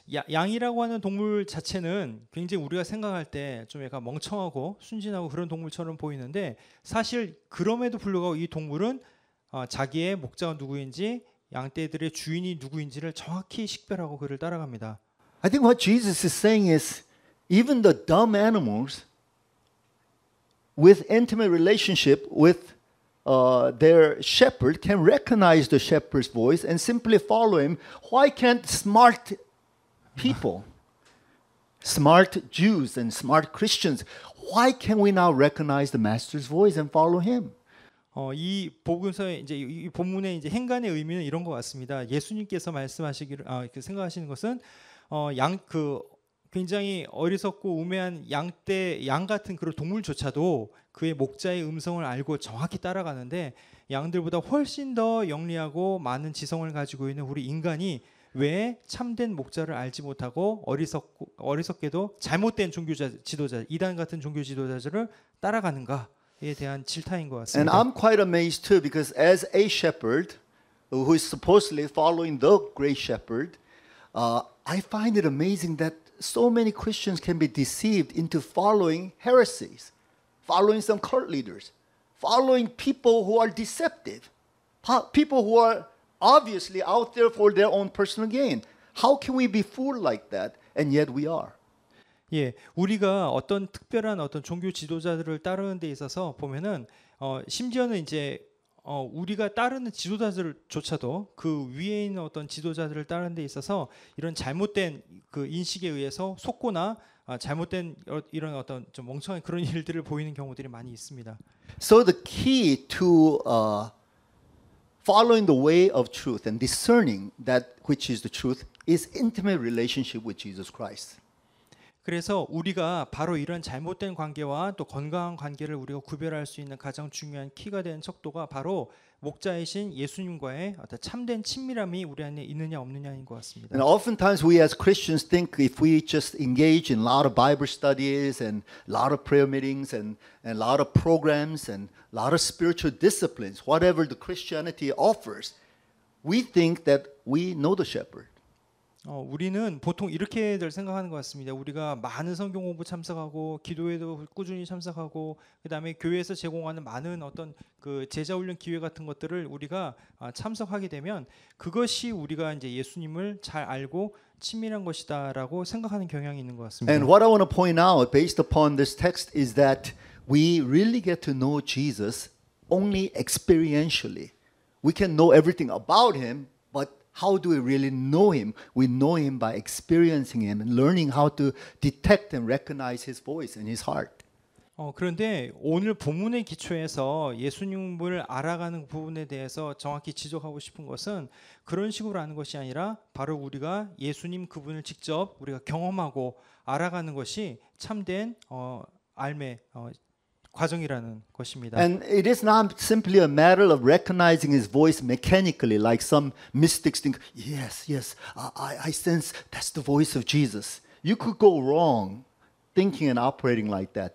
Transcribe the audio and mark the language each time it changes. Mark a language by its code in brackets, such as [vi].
[ko] 양이라고 하는 동물 자체는 굉장히 우리가 생각할 때 좀 약간 멍청하고 순진하고 그런 동물처럼 보이는데 사실 그럼에도 불구하고 이 동물은 자기의 목자가 누구인지 양떼들의 주인이 누구인지를 정확히 식별하고 그를 따라갑니다. [en] I think what Jesus is saying is even the dumb animals with intimate relationship with their shepherd can recognize the shepherd's voice and simply follow him. Why can't smart people, smart Jews and smart Christians, why can we not recognize the master's voice and follow him? [ko] 이 복음서의 이제 이 본문의 이제 행간의 의미는 이런 것 같습니다. 예수님께서 말씀하시기를 그 생각하시는 것은 그 굉장히 어리석고 우매한 양떼 양 같은 그런 동물조차도 그의 목자의 음성을 알고 정확히 따라가는데 양들보다 훨씬 더 영리하고 많은 지성을 가지고 있는 우리 인간이 왜 참된 목자를 알지 못하고 어리석게도 잘못된 종교자 지도자 이단 같은 종교 지도자들을 따라가는가에 대한 질타인 것 같습니다. [en] And I'm quite amazed too because as a shepherd who is supposedly following the great shepherd I find it amazing that so many Christians can be deceived into following heresies, following some cult leaders, following people who are deceptive, people who are obviously out there for their own personal gain. How can we be fooled like that? And yet we are. [ko] 예, 우리가 어떤 특별한 어떤 종교 지도자들을 따르는 데 있어서 보면은 심지어는 이제 우리가 따르는 지도자들조차도 그 위에 있는 어떤 지도자들을 따르는 데 있어서 이런 잘못된 그 인식에 의해서 속거나 잘못된 이런 어떤 좀 멍청한 그런 일들을 보이는 경우들이 많이 있습니다. [en] So the key to following the way of truth and discerning that which is the truth is intimate relationship with Jesus Christ. [ko] 그래서 우리가 바로 이런 잘못된 관계와 또 건강한 관계를 우리가 구별할 수 있는 가장 중요한 키가 되는 척도가 바로 목자이신 예수님과의 어떤 참된 친밀함이 우리 안에 있느냐 없느냐인 것 같습니다. [en] And oftentimes we as Christians think if we just engage in a lot of Bible studies and a lot of prayer meetings and a lot of programs and a lot of spiritual disciplines, whatever the Christianity offers, we think that we know the shepherd. [ko] 우리는 보통 이렇게들 생각하는 것 같습니다. 우리가 많은 성경 공부 참석하고 기도에도 꾸준히 참석하고 그다음에 교회에서 제공하는 많은 어떤 그 제자 훈련 기회 같은 것들을 우리가 참석하게 되면 그것이 우리가 이제 예수님을 잘 알고 친밀한 것이다라고 생각하는 경향이 있는 것 같습니다. [en] And what I want to point out based upon this text is that we really get to know Jesus only experientially. We can know everything about him, but how do we really know him? We know him by experiencing him and learning how to detect and recognize his voice and his heart. [ko] 그런데 오늘 본문의 기초에서 예수님을 알아가는 부분에 대해서 정확히 지적하고 싶은 것은 그런 식으로 아는 것이 아니라 바로 우리가 예수님 그분을 직접 우리가 경험하고 알아가는 것이 참된 알매 과정이라는 것입니다. [en] And it is not simply a matter of recognizing his voice mechanically like some mystics think, yes, yes, I sense that's the voice of Jesus. You could go wrong thinking and operating like that.